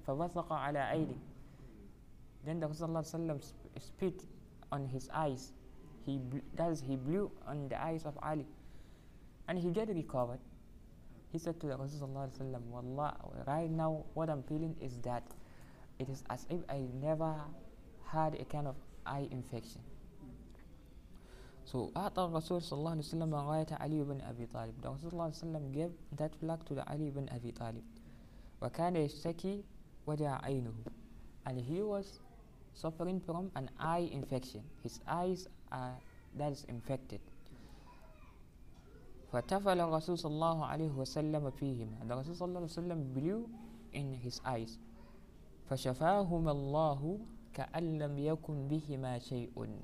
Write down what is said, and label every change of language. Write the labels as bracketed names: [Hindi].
[Arabic] Fawathaqa ala aydi. [English] Then the Rasulullah spit on his eyes. He blew on the eyes of Ali. And he got recovered. He said to the Rasulullah, Wallah, right now what I'm feeling is that it is as if I never had a kind of eye infection. [Arabic] So, أعطى الرسول صلى الله عليه وسلم غاية علي بن أبي طالب. [English] The Rasulullah صلى الله عليه وسلم gave that flag to the Ali ibn Abi Talib. [Arabic] وكان يشتكي وجع عينه. [English] And he was suffering from an eye infection. His eyes are infected. [Arabic] فتفل الرسول صلى الله عليه وسلم فيهما. [English] The Rasulullah صلى الله عليه وسلم blew in his eyes. [Arabic] فشفاهما الله كأن لم يكن بهما شيء.